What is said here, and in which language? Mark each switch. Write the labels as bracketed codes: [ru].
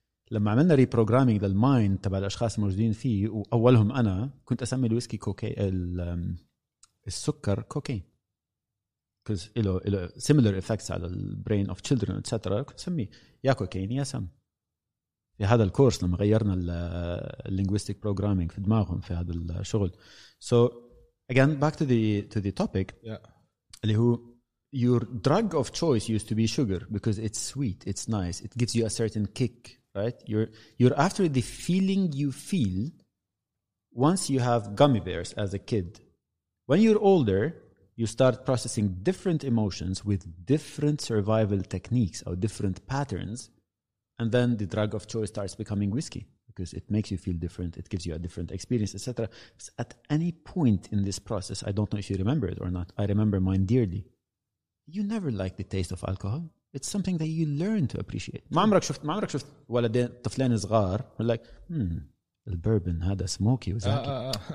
[ar] لما عملنا reprogramming the mind تبع الأشخاص الموجودين فيه وأولهم أنا كنت أسمي الويسكي كوكي السكر كوكين because إله [en] similar effects [ar] على [en] brain of children etc. [ar] كنت أسميه يا كوكين يا سم. في هذا الكورس لما غيرنا linguistic programming في دماغهم في هذا الشغل. [en] So again back to the topic. Yeah. Your drug of choice used to be sugar because it's sweet, it's nice, it gives you a certain kick, right? You're after the feeling you feel once you have gummy bears as a kid. When you're older, you start processing different emotions with different survival techniques or different patterns, and then the drug of choice starts becoming whiskey because it makes you feel different, it gives you a different experience, etc. At any point in this process, I don't know if you remember it or not, I remember mine dearly. You never liked the taste of alcohol. It's something that you learn to appreciate. [ar] ما عمرك شفت ولدين طفلين صغار [en] were like, [ar] البربن هذا سموكي وزاكي.